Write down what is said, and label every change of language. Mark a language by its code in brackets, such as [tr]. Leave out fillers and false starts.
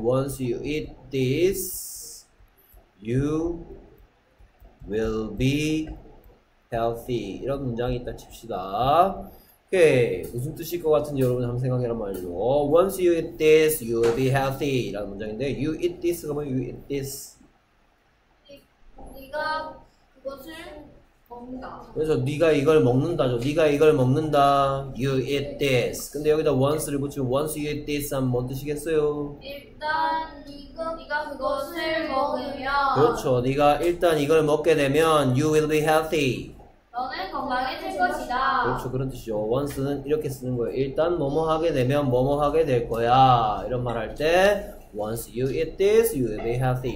[en] Once you eat this, you will be healthy. [ko] 이런 문장이 있다 칩시다. 오케이. 무슨 뜻일 것 같은지 여러분 한번 생각해라 말이죠. [en] Once you eat this, you will be healthy. [ko] 라는 문장인데, [en] you eat this가 [ko] 뭐예요? [en] You eat this. [ko] 네가 그것을 그래서 네가 이걸 먹는다죠. 네가 이걸 먹는다. [en] You eat this. [ko] 근데 여기다 once를 붙이면 [en] once you eat this [ko] 하면 뭔 뜻이겠어요? 일단 이거 네가 그것을 먹으면 그렇죠. 네가 일단 이걸 먹게 되면 [en] you will be healthy. [ko] 너는 건강해질 것이다. 그렇죠. 그런 뜻이죠. once는 이렇게 쓰는 거예요. 일단 뭐뭐 하게 되면 뭐뭐 하게 될 거야. 이런 말 할 때 [en] once you eat this, you will be healthy.